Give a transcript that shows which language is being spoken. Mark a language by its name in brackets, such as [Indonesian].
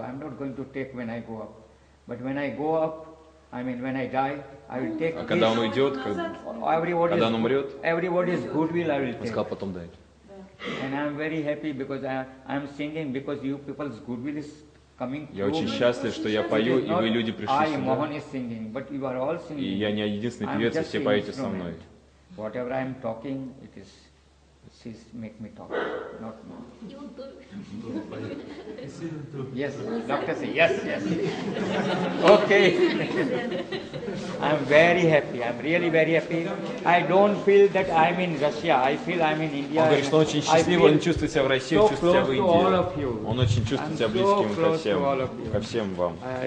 [English] I'm not going to take when I go up. But when I go up, I mean when I die, I will take. [Russian] А когда он уйдет, когда он умрет? [English] Everybody's goodwill I will take. [Russian] Он сказал потом дать. [English] And I'm very happy because I'm singing because you people's goodwill is coming through. [Russian] Я очень счастлив, что я пою, и вы люди пришли сюда. [English] I, Mohan is singing, but you are all singing. [Russian] И я не единственный певец, все поете со мной. [English] Whatever I am talking, it is, she make me talk, not more. Yes, doctor say, yes, yes. Okay. I am very happy, I am really very happy. I don't feel that I am in Russia, I feel I am in India. [Russian] Он говорит, что он очень счастлив, он чувствует себя в России, он чувствует себя в Индии. Он очень чувствует себя близким ко всем, ко всем вам.